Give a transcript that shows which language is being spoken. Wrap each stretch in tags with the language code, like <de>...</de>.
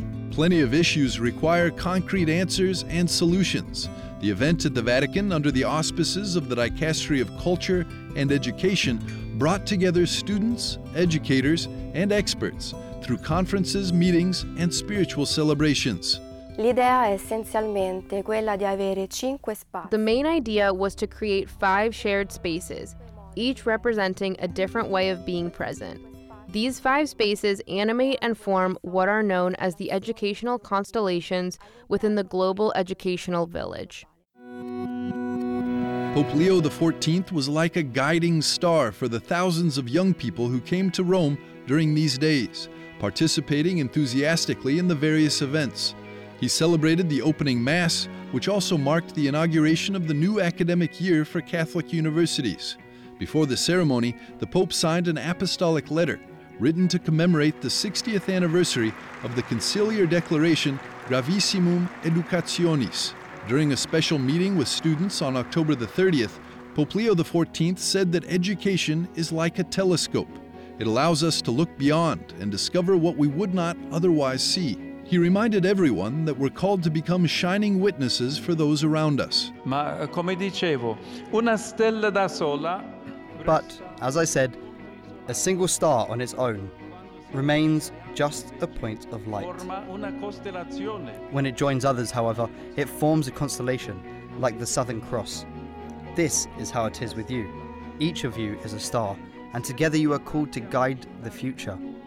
<en>Plenty of issues require concrete answers and solutions. The event at the Vatican, under the auspices of the Dicastery of Culture and Education, brought together students, educators, and experts through conferences, meetings, and spiritual celebrations.</en> <it>L'idea è essenzialmente quella di avere cinque spazi.</it> <en>The main idea was to create five shared spaces, each representing a different way of being present. These five spaces animate and form what are known as the educational constellations within the global educational village. Pope Leo XIV was like a guiding star for the thousands of young people who came to Rome during these days, participating enthusiastically in the various events. He celebrated the opening Mass, which also marked the inauguration of the new academic year for Catholic universities. Before the ceremony, the Pope signed an apostolic letter written to commemorate the 60th anniversary of the conciliar declaration Gravissimum Educationis. During a special meeting with students on October the 30th, Pope Leo XIV said that education is like a telescope. It allows us to look beyond and discover what we would not otherwise see. He reminded everyone that we're called to become shining witnesses for those around us.</en> <it>Ma come dicevo, una stella da sola.</it> <en>But, as I said, a single star on its own remains just a point of light. When it joins others, however, it forms a constellation, like the Southern Cross. This is how it is with you. Each of you is a star, and together you are called to guide the future.</en>